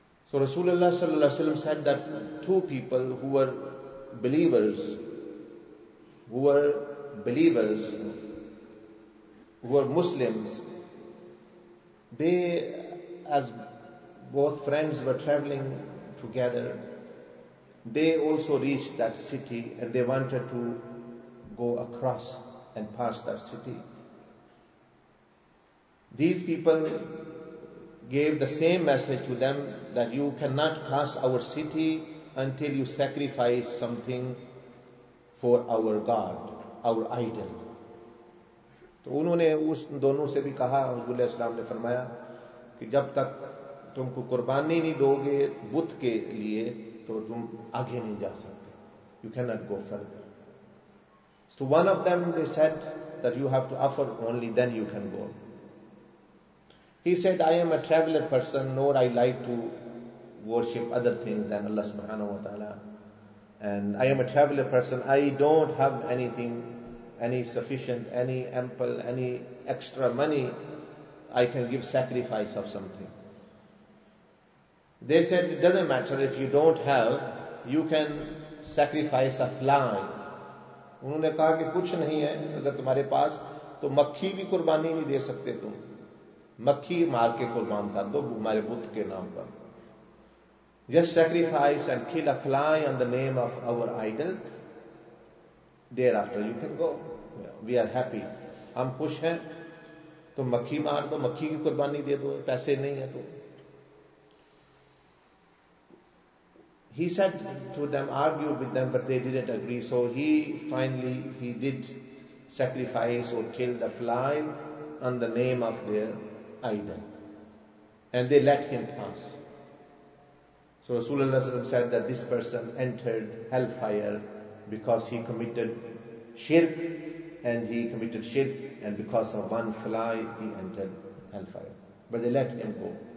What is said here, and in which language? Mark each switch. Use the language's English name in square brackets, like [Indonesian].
[English] So Rasulullah sallallahu alaihi wasallam said that two people who were believers, who were Muslims, they, as both friends were traveling together, they also reached that city and they wanted to go across and pass that city. These people gave the same message to them that you cannot pass our city until you sacrifice something for our God, our idol. [Hindi] तो उन्होंने उस दोनों से भी कहा, हुजूर अलैहिस्सलाम ने फरमाया कि जब तक तुमको कुर्बानी नहीं दोगे बुत के लिए तो तुम आगे नहीं जा सकते. [English] You can not go further. So one of them they said that you have to offer only then you can go. He said I am a traveller person nor I like to worship other things than अल्लाह सुभान व तआला and I am a traveller person I don't have anything any sufficient, any ample, any extra money, I can give sacrifice of something. They said, it doesn't matter if you don't have, you can sacrifice a fly. [Hindi] उन्होंने कहा कि कुछ नहीं है अगर तुम्हारे पास तो मक्खी भी कुर्बानी भी दे सकते तुम. मक्खी मार के कुर्बान कर दो हमारे बुद्ध के नाम पर. [English] Just sacrifice and kill a fly on the name of our idol. Thereafter you can go. We are happy. [Hindi] हम खुश हैं, तो मक्खी मार दो, मक्खी की कुर्बानी दे दो, पैसे नहीं है तो. [English] He said to them, argued with them, but they didn't agree. So he finally, he did sacrifice or kill the fly on the name of their idol. And they let him pass. So Rasulullah said that this person entered hellfire because he committed shirk, and he committed shirk, and because of one fly he entered hellfire. But they let him go.